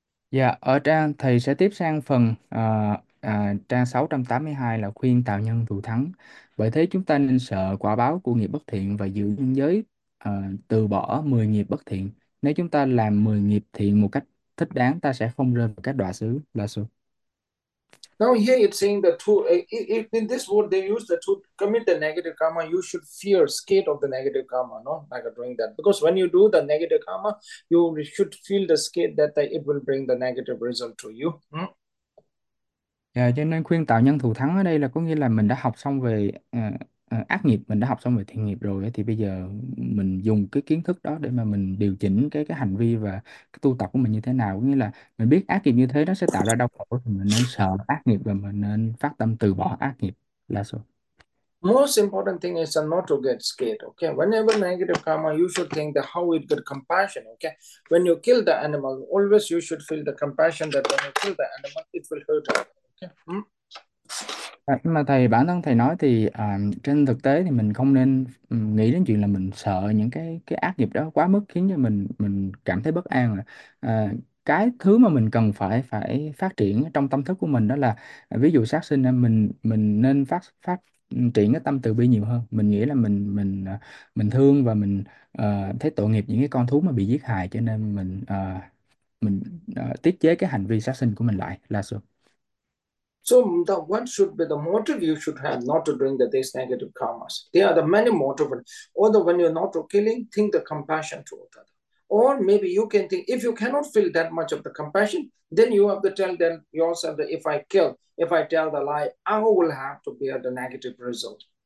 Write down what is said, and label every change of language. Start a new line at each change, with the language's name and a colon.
Vietnamese: Dạ, ở trang thầy sẽ tiếp sang phần trang 682 là khuyên tạo nhân thù thắng. Bởi thế chúng ta nên sợ quả báo của nghiệp bất thiện và giữ nhân giới, từ bỏ 10 nghiệp bất thiện. Nếu chúng ta làm 10 nghiệp thiện một cách thích đáng, ta sẽ không rơi vào các đọa xứ La Su.
English: Now here it's saying the two, in this word they use the two, commit the negative karma, you should fear, scared of the negative karma, no? Like doing that. Because when you do the negative karma, you should feel the scared that it will bring the negative result to you.
Vietnamese: Yeah, cho nên khuyên tạo nhân thù thắng ở đây là có nghĩa là mình đã học xong về ác nghiệp, mình đã học xong về thiện nghiệp rồi thì bây giờ mình dùng cái kiến thức đó để mà mình điều chỉnh cái hành vi và cái tu tập của mình như thế nào, có nghĩa là mình biết ác nghiệp như thế nó sẽ tạo ra đau khổ thì mình nên sợ ác nghiệp và mình nên phát tâm từ bỏ ác nghiệp là số.
English: Most important thing is not to get scared. Okay, whenever negative karma, you should think that how it get compassion. Okay, when you kill the animal, always you should feel the compassion that when you kill the animal, it will hurt. Okay.
Vietnamese: Mà thầy bản thân thầy nói thì trên thực tế thì mình không nên nghĩ đến chuyện là mình sợ những cái ác nghiệp đó quá mức khiến cho mình cảm thấy bất an rồi. Cái thứ mà mình cần phải phải phát triển trong tâm thức của mình đó là ví dụ sát sinh mình nên phát phát triển cái tâm từ bi nhiều hơn. Mình nghĩ là mình thương và mình thấy tội nghiệp những cái con thú mà bị giết hại, cho nên mình tiết chế cái hành vi sát sinh của mình lại là sự.
English: So the one should be the motive you should have not to bring the these negative karmas. There are the many motive. Although when you're not killing, think the compassion to other. Or maybe you can think, if you cannot feel that much of the compassion, then you have to tell them yourself that if I kill, if I tell the lie, I will have to bear the negative result.